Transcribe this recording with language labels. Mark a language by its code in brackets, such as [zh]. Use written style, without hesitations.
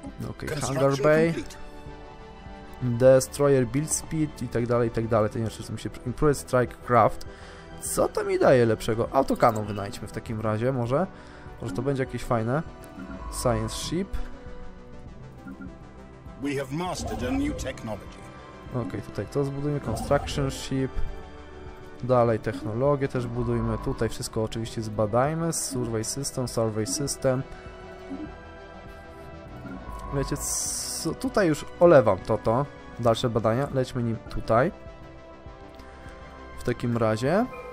[pl] Okej, okay, Hangar Bay. Destroyer Build Speed i tak dalej, i tak dalej. To nie wiem, czy mi się... Improved Strike Craft. Co to mi daje lepszego? Autocannon wynajdźmy w takim razie, może. Może to będzie jakieś fajne. [en] Science Ship. We have mastered a new technology. [pl] Okej, okay, tutaj to zbudujmy, construction ship. Dalej technologię też budujmy, tutaj wszystko oczywiście zbadajmy. [en] Survey system. [pl] Wiecie co, tutaj już olewam to. Dalsze badania, lećmy nim tutaj. W takim razie.